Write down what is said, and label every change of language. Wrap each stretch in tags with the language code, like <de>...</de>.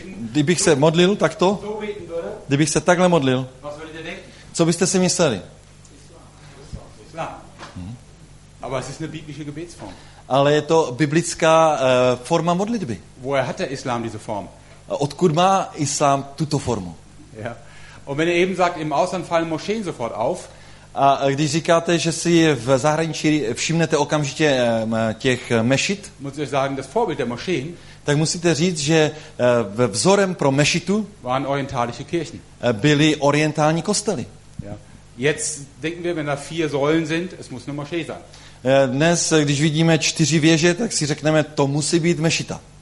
<cs>Kdybych se modlil takto, kdybych se takhle modlil, co byste si mysleli?</cs> <de>Aber es ist eine biblische Gebetsform.</de> <cs>Ale je to biblická forma modlitby.</cs> <de>Woher hat der Islam diese Form?</de> <cs>Odkud má Islám tuto formu?</cs> <de>Ja. Und wenn ihr eben sagt, im Ausland fallen Moscheen sofort auf.</de> <cs>A když říkáte, že si v zahraničí všimnete okamžitě těch mešit,</cs> <de>muss ich sagen, das Vorbild der Moscheen,</de> <cs>tak musíte říct, že vzorem pro mešitu</cs> <de>waren orientalische Kirchen.</de> <cs>Byly orientální kostely.</cs> <de>Ja. Jetzt denken wir, wenn da vier Säulen sind, es muss eine Moschee sein.</de> <cs>Dnes, když vidíme čtyři věže, tak si řekneme, to musí být mešita.</cs>